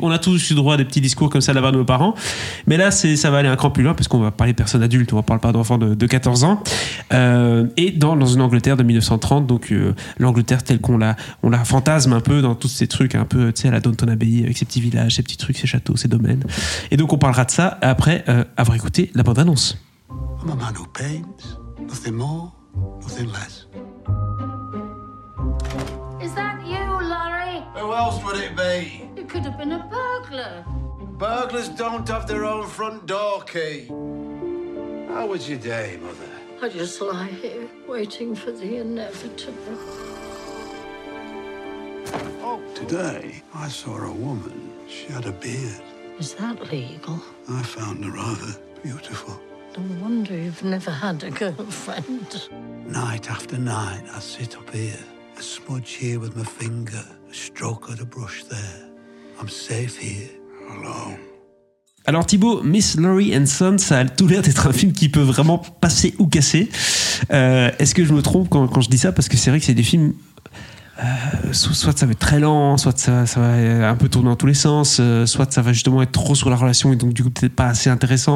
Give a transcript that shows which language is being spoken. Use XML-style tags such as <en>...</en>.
<fr>On a tous eu droit à des petits discours comme ça là-bas de nos parents, mais là c'est, ça va aller un cran plus loin parce qu'on va parler de personnes adultes, on ne parle pas d'enfants de 14 ans et dans une Angleterre de 1930, donc l'Angleterre telle qu'on l'a fantasme un peu dans tous ces trucs, un peu tu sais, à la Downton Abbey avec ses petits villages, ses petits trucs, ses châteaux, ses domaines. Et donc on parlera de ça après avoir écouté la bande annonce.</fr> <en>I'm a man who paints, nothing more, nothing less. Is that you, Laurie? Who else would it be? You could have been a burglar. Burglars don't have their own front door key. How was your day, mother? I just lie here waiting for the inevitable. Today, I saw a woman. She had a beard. Is that legal? I found her rather beautiful. No wonder you've never had a girlfriend. Night after night, I sit up here. A smudge here with my finger. A stroke of the brush there. I'm safe here, alone.</en> <fr>Alors Thibaut, Miss Laurie and Son, ça a tout l'air d'être un film qui peut vraiment passer ou casser. Est-ce que je me trompe quand je dis ça? Parce que c'est vrai que c'est des films... soit ça va être très lent, soit ça va un peu tourner dans tous les sens, soit ça va justement être trop sur la relation et donc du coup peut-être pas assez intéressant.</fr>